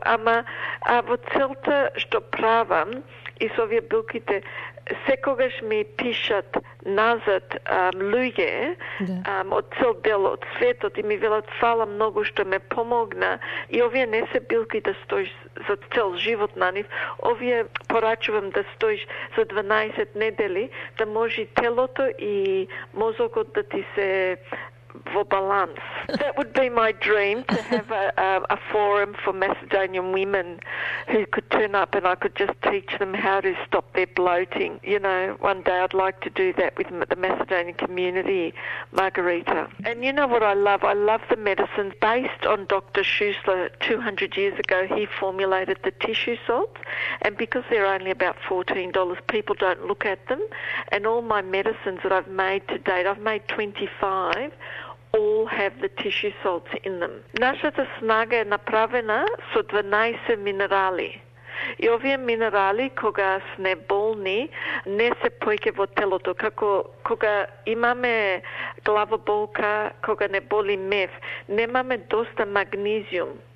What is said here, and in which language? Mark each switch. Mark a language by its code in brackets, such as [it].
[mk] Ама а во целта што правам и со овие билките, секогаш ми пишат назад луѓе од цел дел од светот и ми велат фала многу што ме помогна. И овие не се билки да стоиш за цел живот на нив. Овие порачувам да стоиш за 12 недели, да може телото и мозокот да ти се во баланс. [en] That would be my dream, to have a forum for Macedonian women who could turn up and I could just teach them how to stop their bloating. You know, one day I'd like to do that with the Macedonian community, Margarita. And you know what I love? I love the medicine based on Dr. Schussler. 200 years ago, he formulated the tissue salts. And because they're only about $14, people don't look at them. And all my medicines that I've made to date, I've made 25, all have the tissue salts in them. [mk] Нашата снага е направена со 12 минерали. И овие минерали, кога сме болни, не се појке во телото. Како кога имаме главоболка, кога не боли мев, немаме доста магнезиум.